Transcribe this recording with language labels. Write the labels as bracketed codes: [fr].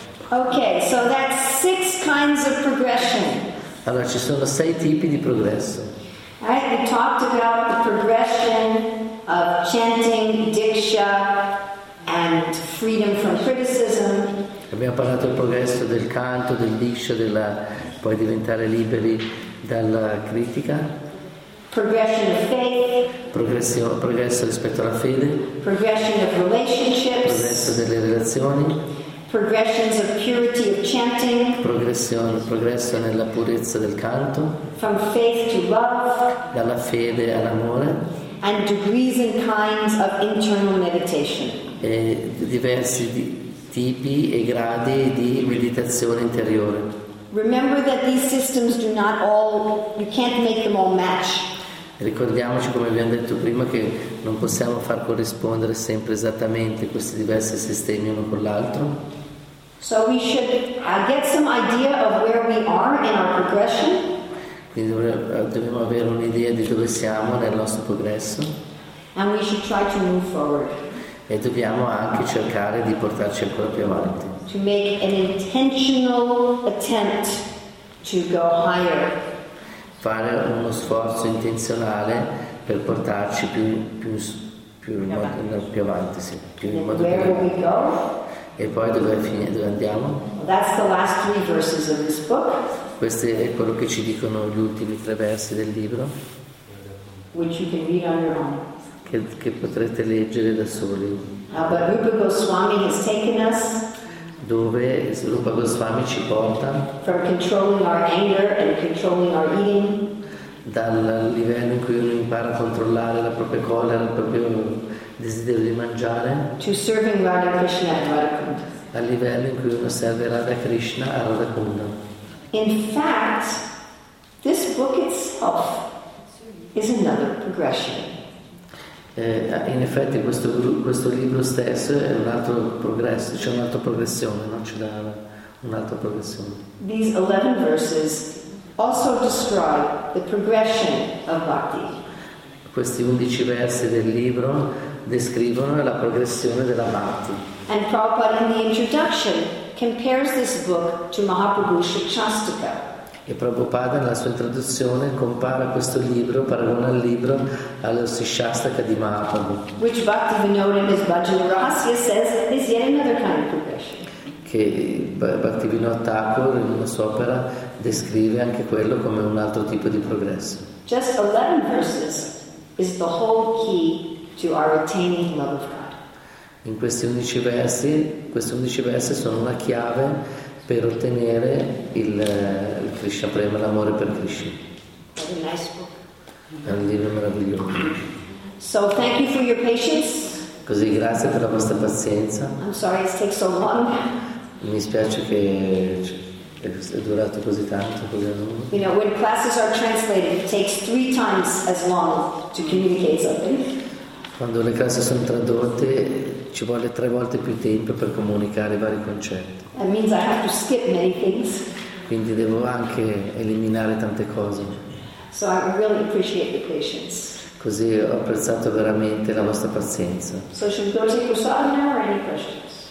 [en] Ok, so that's six kinds of progression. [it] Allora ci sono sei tipi di progresso. [en] Right, we talked about the progression of chanting, diksha, and freedom from criticism. [it] Abbiamo parlato del progresso del canto, del diksha, della poi diventare liberi dalla critica. [en] Progression of faith. [it] Progresso rispetto alla fede. [en] Progression of relationships. [it] Progresso delle relazioni. [en] Progressions of purity of chanting. [it] Progresso nella purezza del canto. [en] From faith to love. [it] Dalla fede all'amore. [en] And degrees and kinds of internal meditation. [it] E diversi tipi e gradi di meditazione interiore. [en] Remember that these systems do not all, you can't make them all match. [it] Ricordiamoci, come abbiamo detto prima, che non possiamo far corrispondere sempre esattamente questi diversi sistemi uno con l'altro. [en] So we should get some idea of where we are in our progression. [it] Quindi dobbiamo avere un'idea di dove siamo nel nostro progresso. [en] And we should try to move forward. [it] E dobbiamo anche cercare di portarci ancora più avanti. [en] To make an intentional attempt to go higher. [it] Fare uno sforzo intenzionale per portarci più avanti, sì, più in modo [en] where will we go? [it] E poi dove andiamo? [en] Well, that's the last three verses of this book. [it] Questo è quello che ci dicono gli ultimi tre versi del libro. [en] Which you can read on your own. [it] Che potrete leggere da soli. [en] But Rupa Goswami has taken us. [it] Dove Rupa Goswami ci porta. [en] From controlling our anger and controlling our eating. [it] dal livello in cui uno impara a controllare la propria collera, il proprio desiderio di mangiare, [en] to serving Radha Krishna and Radha [it] Kunda. Al livello in cui uno serve Radha Krishna a Radha Kunda. [en] In fact, this book itself is another progression. [it] In effetti questo libro stesso è un altro progresso, c'è un'altra progressione, no? Ci dà un'altra progressione. [en] These 11 verses also describe the progression of bhakti. [it] Questi 11 versi del libro descrivono la progressione della bhakti. [en] And Prabhupada in the introduction compares this book to Mahaprabhu's Shastika. [it] E Prabhupada nella sua introduzione compara questo libro, paragona il libro allo Shastaka di Mahaprabhu. [en] Which Bhaktivinoda in his Bhajana Rahasya says is yet another kind of progression. [it] Che Bhaktivinoda Thakur in una sua opera descrive anche quello come un altro tipo di progresso. [en] Just 11 verses is the whole key to our attaining love of God. [it] In questi undici versi sono una chiave per ottenere il Krishna Prema, l'amore per Krishna. [en] Nice. [it] È un libro meraviglioso. [en] So thank you for your patience. [it] Così grazie per la vostra pazienza. [en] I'm sorry it takes so long. [it] Mi spiace che è durato così tanto. [en] You know, when classes are translated, it takes three times as long to communicate something. [it] Quando le classi sono tradotte ci vuole tre volte più tempo per comunicare i vari concetti. [en] That means I have to skip many things. [it] Quindi devo anche eliminare tante cose. [en] So I really appreciate the patience. [it] Così ho apprezzato veramente la vostra pazienza. [en] So should we go to prasadam now or any questions?